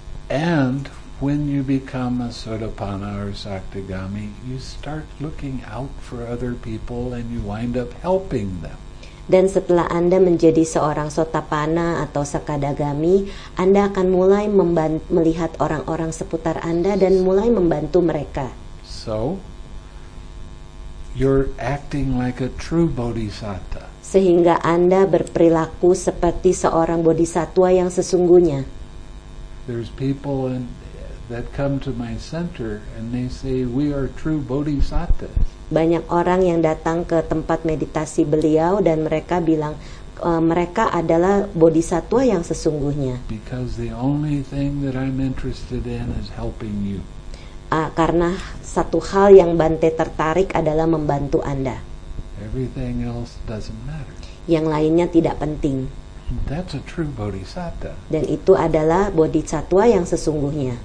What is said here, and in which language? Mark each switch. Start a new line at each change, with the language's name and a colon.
English: And when you become a sotapana or sakadagami, you start looking out for other people and you wind up helping them.
Indonesian: Dan setelah Anda menjadi seorang sotapana atau sakadagami, Anda akan mulai melihat orang-orang seputar Anda dan mulai membantu mereka.
English: So, you're acting like a true bodhisattva.
Indonesian: Sehingga Anda berperilaku seperti seorang bodhisattva yang sesungguhnya.
English: There's people that come to my center and they say, "We are true bodhisattvas."
Indonesian: Banyak orang yang datang ke tempat meditasi beliau dan mereka bilang mereka adalah bodhisattva yang sesungguhnya.
English: Because the only thing that I'm interested in is helping you.
Indonesian: Karena satu hal yang Bante tertarik adalah membantu Anda.
English: Everything else doesn't matter.
Indonesian: Yang lainnya tidak penting.
English: That's a true bodhisattva.
Indonesian: Dan itu adalah bodhisattva yang sesungguhnya.